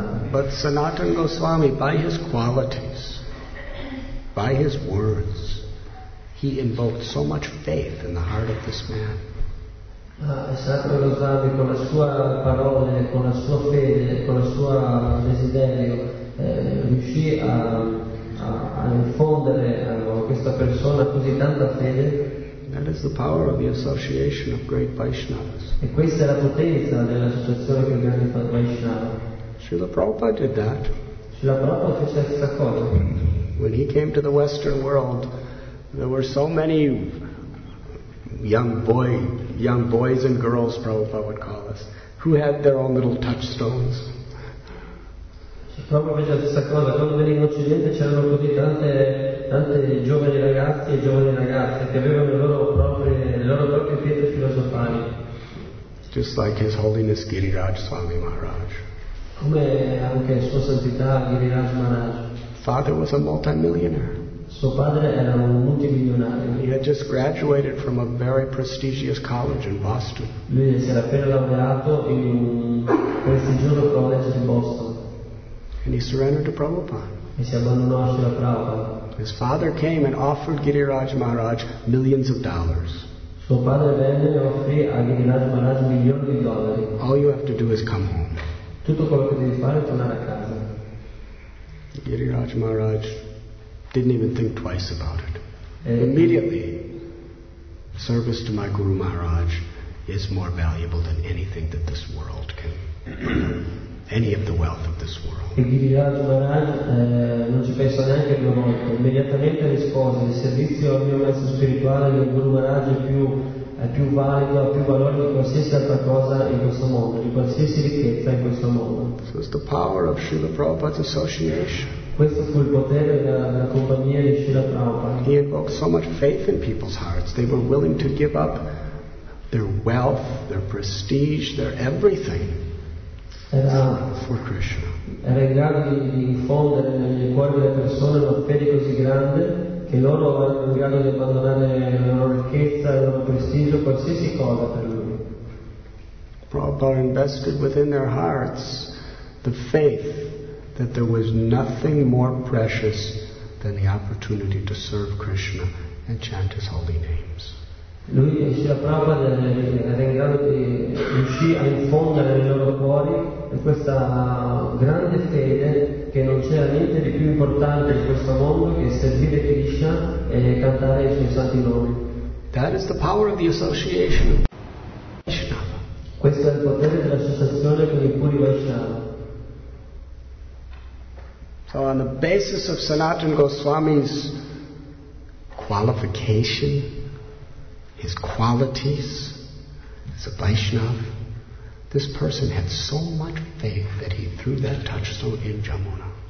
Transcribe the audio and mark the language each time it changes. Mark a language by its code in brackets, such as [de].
[en] But Sanatana Goswami, by his qualities, by his words, he invoked so much faith in the heart of this man. [it] Sanatana Goswami, con le sue parole, con la sua fede, con il suo desiderio, riuscì a infondere a questa persona così tanta fede. [en] That is the power of the association of great Vaishnavas. [it] E questa è la potenza dell'associazione che grandi Vaishnava. [en] Srila Prabhupada did that. [it] Srila Prabhupada fece questa cosa. [en] When he came to the Western world, there were so many young boys and girls, Prabhupada would call us, who had their own little touchstones. [it] Srila Prabhupada fece questa cosa. Quando venne in Occidente c'erano così tante giovani ragazzi e giovani ragazze che avevano le loro proprie pietre filosofali. [en] Just like His Holiness Giriraj Swami Maharaj. [it] Come anche sua santità Giriraj Maharaj. [en] Father was a multimillionaire. [it] Suo padre era un multimilionario. [en] He had just graduated from a very prestigious college in Boston. [it] Lui si era appena laureato in un prestigioso college di Boston. [en] And he surrendered to Prabhupada. [it] E si abbandonò a Srila Prabhupada. [en] His father came and offered Giriraj Maharaj millions of dollars. [it] Suo padre venne e offrì a Giriraj Maharaj milioni di dollari. [en] All you have to do is come home. [it] Tutto quello che devi fare è tornare a casa. [en] Giriraj Maharaj didn't even think twice about it. Immediately, service to my Guru Maharaj is more valuable than anything that this world can. any of the wealth of this world. [it] E chi dirà Maharaj non ci pensa neanche due volte, immediatamente rispose: il servizio al mio maestro spirituale del Guru Maharaj è più valido, ha più valore di qualsiasi altra cosa in questo mondo, di qualsiasi ricchezza in questo mondo. [en] So it's the power of Srila Prabhupada's association. [it] Questo fu il potere della compagnia di Srila Prabhupada. [en] He evoked so much faith in people's hearts, they were willing to give up their wealth, their prestige, their everything. For Krishna. [it] Era in grado di infondere nei cuori delle persone una fede così grande che loro erano in grado di abbandonare la loro ricchezza, il loro prestigio, qualsiasi cosa per lui. [en] Prabhupada invested within their hearts the faith that there was nothing more precious than the opportunity to serve Krishna and chant his holy names. [it] Lui e Srila Prabhupada era in grado di riuscire a infondere nei loro cuori questa grande fede che non c'era niente di più importante in questo mondo che servire Krishna e cantare i suoi santi nomi. [en] That is the power of the association. [it] Questo è il potere dell'associazione con i puri Vaishnava. [en] So on the basis of Sanatana Goswami's qualification, his qualities as a Vaishnava, this person had so much faith that he threw that touchstone in Jamuna.